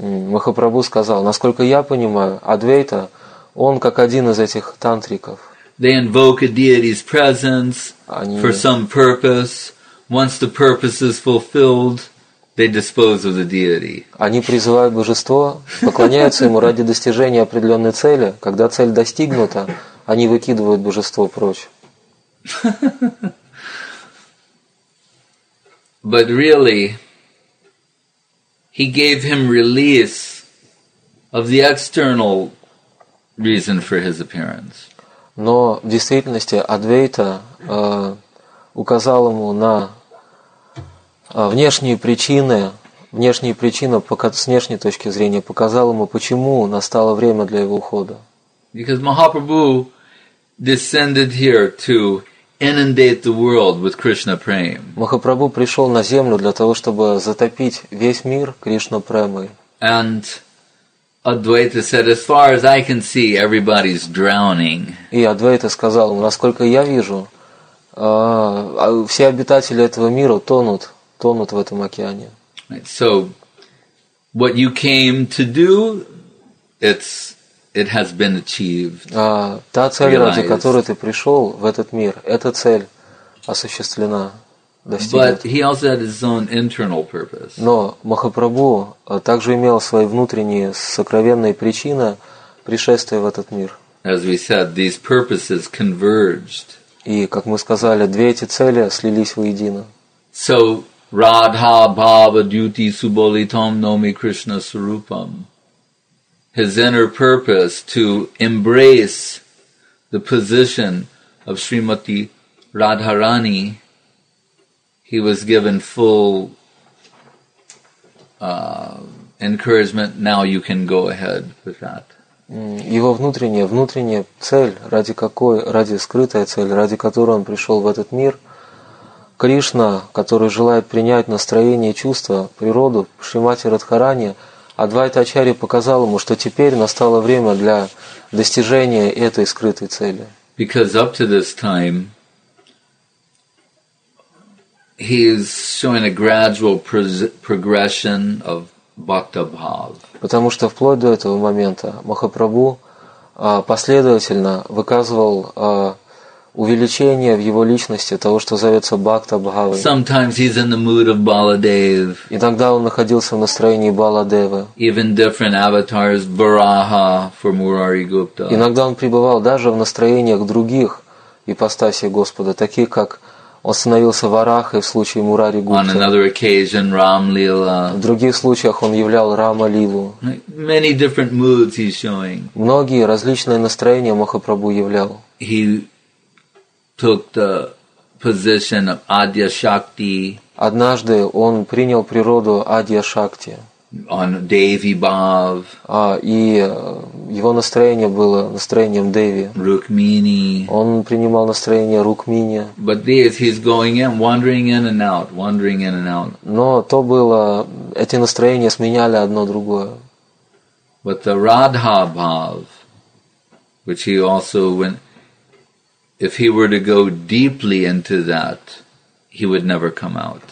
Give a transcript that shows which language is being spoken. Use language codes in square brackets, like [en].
[ru] Махапрабху сказал, насколько я понимаю, Адвейта, он как один из этих тантриков. [en] They invoke a deity's presence for some purpose. Once the purpose is fulfilled, they dispose of the deity. [ru] Они призывают божество, поклоняются ему ради достижения определенной цели. Когда цель достигнута, они выкидывают божество прочь. [en] But really, he gave him release of the external reason for his appearance. [ru] Но в действительности Адвейта указал ему на внешние причины, с внешней точки зрения, показал ему, почему настало время для его ухода. [en] Because Mahaprabhu descended here to inundate the world with Krishna Prem. [ru] Махапрабху пришел на землю для того, чтобы затопить весь мир Кришна Премой. [en] And Advaita said, "As far as I can see, everybody's drowning." [ru] И Адвайта сказал, насколько я вижу, все обитатели этого мира тонут в этом океане. [en] Right. So, what you came to do, it has been achieved. [ru] Та цель, ради которой ты пришел в этот мир, эта цель осуществлена, достигнута. [en] But he also had his own internal purpose. [ru] Но Махапрабху также имел свои внутренние сокровенные причины пришествия в этот мир. [en] As we said, these purposes converged. [ru] И, как мы сказали, две эти цели слились воедино. [sa] So, Radha Bhava Duti Subolitam Nomi Krishna Sarupam. [en] His inner purpose to embrace the position of Srimati Radharani, he was given full encouragement. Now you can go ahead with that. [ru] Его внутренняя цель, ради скрытая цель, ради которой он пришел в этот мир, Кришна, который желает принять настроение, чувства, природу, Шримати Радхарани, Адвайта Ачарья показал ему, что теперь настало время для достижения этой скрытой цели. [en] Because up to this time, he's showing a gradual progression of bhakta bhava. [ru] Потому что вплоть до этого момента Махапрабху последовательно выказывал увеличение в его личности того, что зовется бхакта бхавой. [en] Sometimes he's in the mood of Baladev. [ru] Иногда он находился в настроении Баладева. [en] Even different avatars, Varaha for Murari Gupta. [ru] Иногда он пребывал даже в настроениях других ипостасей Господа, таких как Он становился Варахой в случае Мурари Гупты. [en] On another occasion, Ram Lila. [ru] В других случаях он являл Рама Лилу. [en] Many different moods he's showing. [ru] Многие различные настроения Махапрабху являл. [en] He took the position of Adya Shakti. [ru] Однажды он принял природу Адья Шакти. [en] On Devi Bhav. [ru] А, и его настроение было настроением Деви. [en] Rukmini. [ru] Он принимал настроение Рукмини. [en] But this, he's going in, wandering in and out, wandering in and out. [ru] Но то было, эти настроения сменяли одно другое. [en] But the Radha Bhav, which he also went, if he were to go deeply into that, he would never come out.